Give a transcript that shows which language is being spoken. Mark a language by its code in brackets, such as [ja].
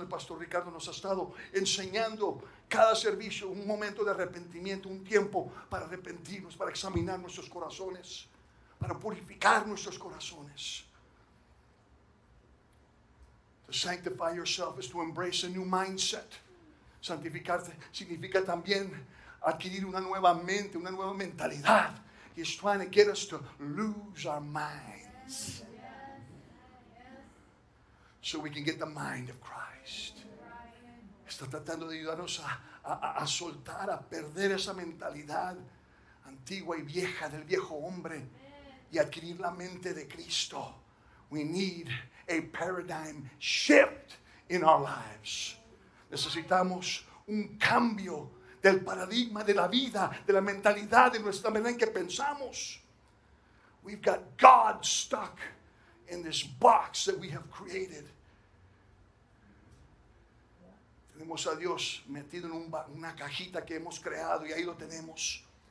[es] El pastor Ricardo nos ha estado enseñando cada servicio un momento de arrepentimiento, un tiempo para arrepentirnos, para examinar nuestros corazones, para purificar nuestros corazones. [en] To sanctify yourself is to embrace a new mindset. [es] Santificarte significa también adquirir una nueva mente, una nueva mentalidad. [en] He's trying to get us to lose our minds. So we can get the mind of Christ. [es] Está tratando de ayudarnos a soltar, a perder esa mentalidad antigua y vieja del viejo hombre y adquirir la mente de Cristo. [en] We need a paradigm shift in our lives. [es] Necesitamos un cambio del paradigma de la vida, de la mentalidad, de nuestra manera en que pensamos. [en] We've got God stuck in this box that we have created. [es] Tenemos a Dios metido en una cajita que hemos creado y ahí lo tenemos.